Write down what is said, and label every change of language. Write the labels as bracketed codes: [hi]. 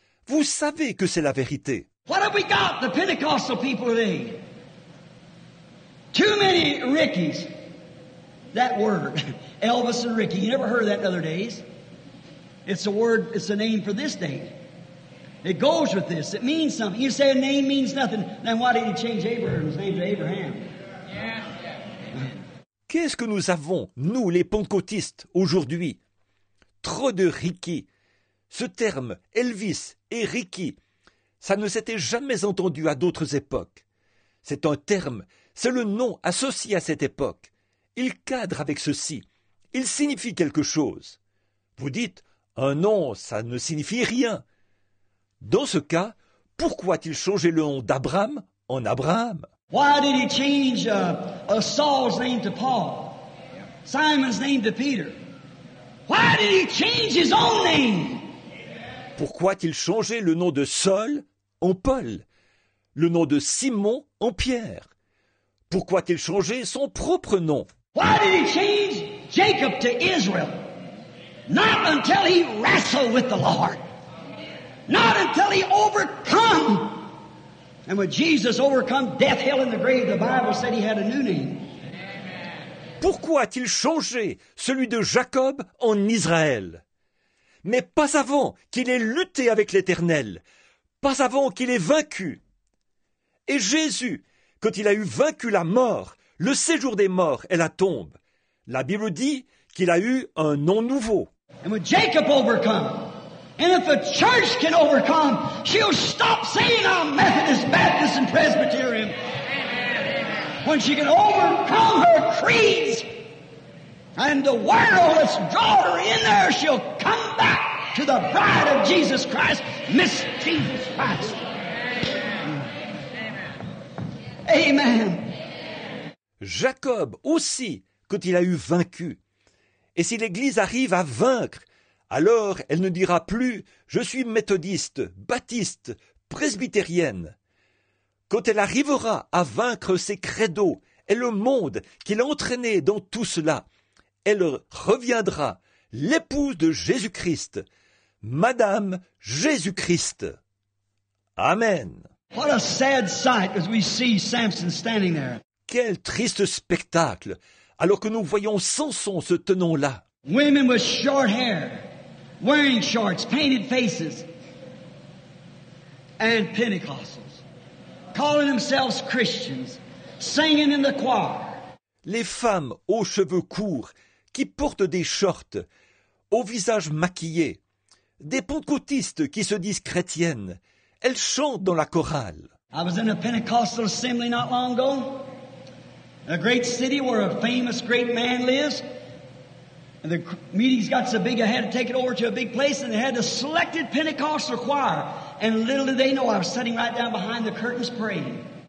[fr] Vous savez que c'est la vérité. [en] What have we got, the Pentecostal people today? Too many Rickies. That word, Elvis and Ricky, you never heard of that in other days. It's a word, it's a name for this day. It goes with this, it means something. You say a name means nothing, then why did he change Abraham's name to Abraham? [fr] Qu'est-ce que nous avons, nous, les pentecôtistes, aujourd'hui? Trop de Ricky. Ce terme, Elvis et Ricky, ça ne s'était jamais entendu à d'autres époques. C'est un terme, c'est le nom associé à cette époque. Il cadre avec ceci. Il signifie quelque chose. Vous dites, un nom, ça ne signifie rien. Dans ce cas, pourquoi a-t-il changé le nom d'Abraham en Abraham? [en] Why did he change Saul's name to Paul? Simon's name to Peter? Why did he change his own name? [fr] Pourquoi a-t-il changé le nom de Saul en Paul? Le nom de Simon en Pierre? Pourquoi a-t-il changé son propre nom? [en] Why did he change Jacob to Israel? Not until he wrestled with the Lord. Not until he overcome. And when Jesus overcome death, hell, and the grave, the Bible said he had a new name. [fr] Pourquoi a-t-il changé celui de Jacob en Israël? Mais pas avant qu'il ait lutté avec l'Éternel. Pas avant qu'il ait vaincu. Et Jésus, quand il a eu vaincu la mort, le séjour des morts est la tombe. La Bible dit qu'il a eu un nom nouveau. [en] And when Jacob overcome, and if the church can overcome, she'll stop saying I'm Methodist, Baptist, and Presbyterian. When she can overcome her creeds and the world that's drawn her in there, she'll come back to the bride of Jesus Christ, Miss Jesus Christ. Amen. [fr] Jacob aussi, quand il a eu vaincu. Et si l'Église arrive à vaincre, alors elle ne dira plus « Je suis méthodiste, baptiste, presbytérienne ». Quand elle arrivera à vaincre ses credos et le monde qui l'a entraîné dans tout cela, elle reviendra l'épouse de Jésus-Christ, Madame Jésus-Christ. Amen. [en] What a sad sight as we see Samson standing there. [fr] Quel triste spectacle, alors que nous voyons Samson se tenant là. [en] Women with short hair, wearing shorts, painted faces, and Pentecostals, calling themselves Christians, singing in the choir. [fr] Les femmes aux cheveux courts, qui portent des shorts, au visage maquillé, des pentecôtistes qui se disent chrétiennes, elles chantent dans la chorale. [en] I was in a Pentecostal assembly not long ago. A great city where a famous great man lives. And the meetings got so big I had to take it over to a big place and they had a selected Pentecostal choir. And little did they know I was sitting right down behind the curtains praying.